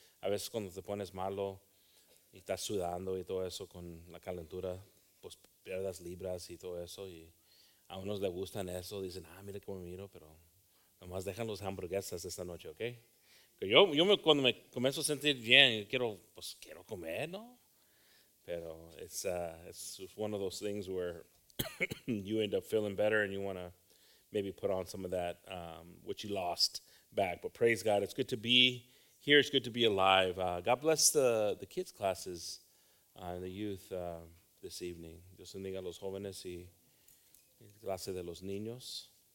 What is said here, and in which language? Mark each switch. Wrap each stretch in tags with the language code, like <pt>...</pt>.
<es>A veces cuando te pones malo y estás sudando y todo eso con la calentura, pues pierdas libras y todo eso, y a unos les gustan eso, dicen, ah, mira cómo me miro, pero nomás dejan los hamburguesas esta noche, ¿ok? Yo cuando me comienzo a sentir bien, quiero comer, ¿no?</es> <en>Pero it's one of those things where you end up feeling better and you want to maybe put on some of that, what you lost back. But praise God, it's good to be here, it's good to be alive. God bless the kids' classes and the youth this evening.</en> <es>Dios bendiga a los jóvenes y clase de los niños.</es>